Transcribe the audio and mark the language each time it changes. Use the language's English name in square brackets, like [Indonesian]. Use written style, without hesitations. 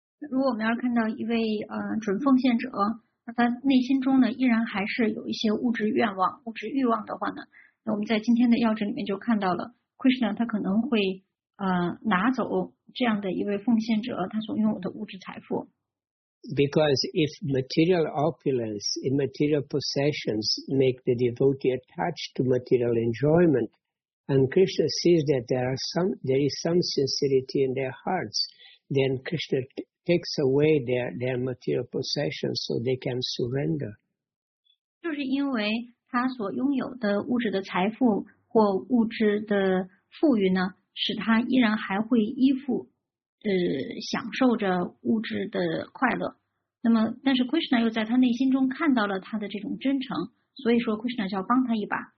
[Chinese] 如果我们要看到一位准奉献者，他内心中呢依然还是有一些物质愿望、物质欲望的话呢，那我们在今天的要旨里面就看到了 ，Krishna 他可能会拿走这样的一位奉献者他所拥有的物质财富。 [English] Because if material opulence, immaterial possessions make the devotee attached to material enjoyment, and Krishna sees that there is some sincerity in their hearts, then Krishna takes away their material possessions so they can surrender. [Chinese] 就是因为他所拥有的物质的财富或物质的富裕呢，使他依然还会依附享受着物质的快乐。那么但是 Krishna 又在他内心中看到了他的这种真诚，所以说 Krishna 就要帮他一把，